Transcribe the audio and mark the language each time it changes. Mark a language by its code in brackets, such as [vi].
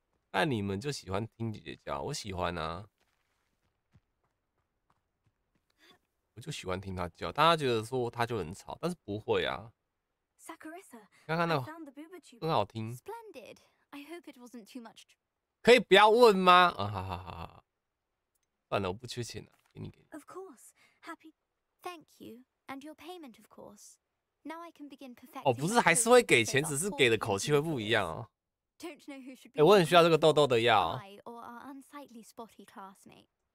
[zh] 但你们就喜欢听姐姐叫，我喜欢啊，我就喜欢听她叫，大家觉得说她就很吵，但是不会啊。刚刚那个很好听。 [en] Splendid. I hope it wasn't too much. [zh] 可以不要问吗？啊，好好好好，算了，我不缺钱了，给你。 [en] Of course, happy. Thank you, and your payment, of course. Now I can begin perfecting. [zh] 哦，不是，还是会给钱，只是给的口气会不一样哦。 [en] Don't know who should be. [zh] 哎，我很需要这个痘痘的药。 [en] I or our unsightly spotty classmate.